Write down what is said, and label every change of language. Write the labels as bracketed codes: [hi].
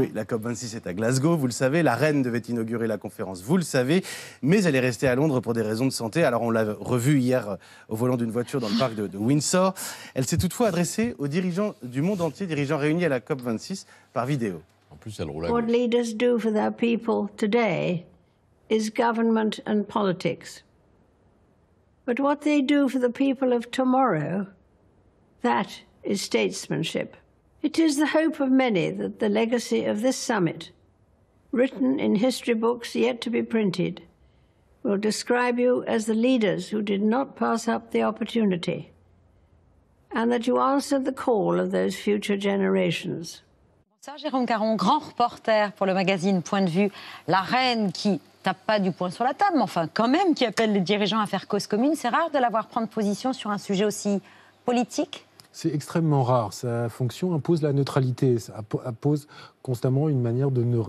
[fr] Oui, la COP26 est à Glasgow, vous le savez. La reine devait inaugurer la conférence, vous le savez. Mais elle est restée à Londres pour des raisons de santé. Alors on l'a revue hier au volant d'une voiture dans le parc de Windsor. Elle s'est toutefois adressée aux dirigeants du monde entier, dirigeants réunis à la COP26 par vidéo. En plus, elle roule à gauche. [en] What leaders do for their people today is government and politics. But what they do for the people of tomorrow, that is statesmanship. It is the hope of many that the legacy of this summit, written in history books yet to be printed, will describe you as the leaders who did not pass up the opportunity, and that you answered the call of those future generations. [fr] Bonsoir Jérôme Caron, grand reporter pour le magazine Point de Vue. La reine qui tape pas du poing sur la table, mais enfin quand même qui appelle les dirigeants à faire cause commune. C'est rare de la voir prendre position sur un sujet aussi politique. C'est extrêmement rare. Sa fonction impose la neutralité. Ça impose constamment une manière de...